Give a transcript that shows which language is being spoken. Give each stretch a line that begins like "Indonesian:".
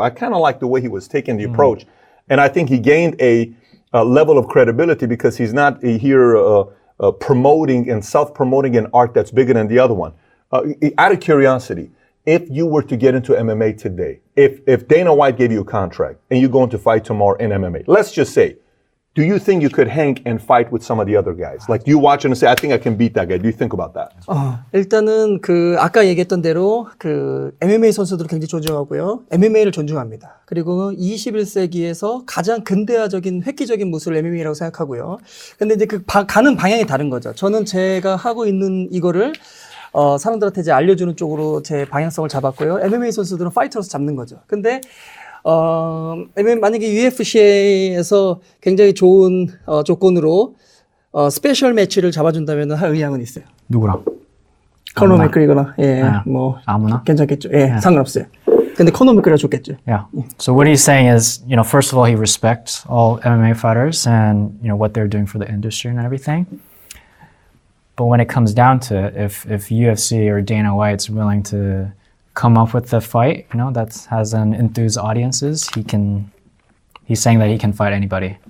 English: I kind of like the way he was taking the approach. And I think he gained a level of credibility because he's not here promoting and self-promoting an art that's bigger than the other one. Out of curiosity, if you were to get into MMA today, if Dana White gave you a contract and you're going to fight tomorrow in MMA, let's just say, do you think you could hang and fight with some of the other guys? Like, do you watch and say, I think I can beat that guy. Do you think about that?
Korean: 일단은 그 아까 얘기했던 대로 그 MMA 선수들을 굉장히 존중하고요. MMA를 존중합니다. 그리고 21세기에서 가장 근대화적인 획기적인 무술 MMA라고 생각하고요. 근데 이제 그 가는 방향이 다른 거죠. 저는 제가 하고 있는 이거를 사람들한테 이제 알려주는 쪽으로 제 방향성을 잡았고요. MMA 선수들은 파이터로서 잡는 거죠. 근데 만약에 UFC에서 굉장히 좋은 조건으로 스페셜 매치를 잡아준다면 할 의향은 있어요. 누구랑? 코너 맥그리거나 예, 네. 뭐 아무나 괜찮겠죠. 예, 네. 상관없어요. 근데 코너 맥그리가 좋겠죠.
English: Yeah. So what he's saying is, you know, first of all, he respects all MMA fighters and you know what they're doing for the industry and everything. But when it comes down to it, if UFC or Dana White's willing to come up with the fight, you know, that has an enthused audiences, he's saying that he can fight anybody.